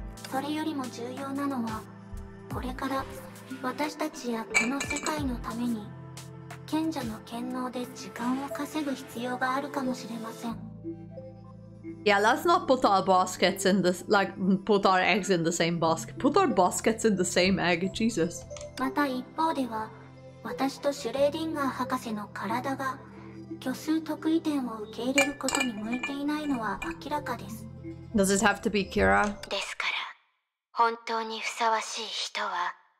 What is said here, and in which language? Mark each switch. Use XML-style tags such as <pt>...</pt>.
<ja>それよりも重要なのは、これから私たちやこの世界のために賢者の権能で時間を稼ぐ必要があるかもしれません。</ja> <en>Yeah, let's not put our baskets in this, like, put our eggs in the same basket. Put our baskets in the same egg, Jesus.</en> <ja>また一方では、私とシュレーディンガー博士の体が虚数特異点を受け入れることに向いていないのは明らかです。</ja> <en>Does it have to be Kira?</en> <ja>ですから、本当にふさわしい人は。</ja>